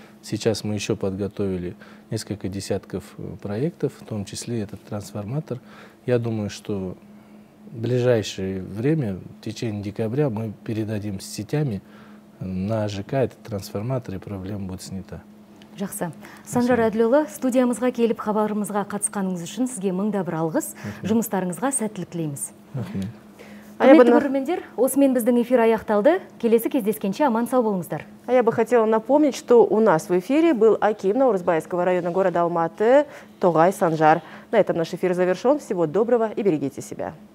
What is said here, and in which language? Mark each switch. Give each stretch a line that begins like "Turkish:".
Russian: Сейчас мы еще подготовили несколько десятков проектов, в том числе этот трансформатор. Я думаю, что в ближайшее время, в течение декабря, мы передадим с сетями на ЖК этот трансформатор, и проблема будет снята.
Kazakh: Жақсы. Санжар Әділұлы, студиямызға келіп, хабарымызға қатысқаныңыз үшін сізге мың да бір алғыс. Жұмыстарыңызға сәттілік тілейміз. Құрметті көрермендер, осымен біздің эфир аяқталды. Келесі кездескенше аман сау болыңыздар.
Russian: Я бы хотела напомнить, что у нас в эфире был аким Наурызбайского района города Алматы Тоғай Санжар. На этом наш эфир завершен. Всего доброго и берегите себя.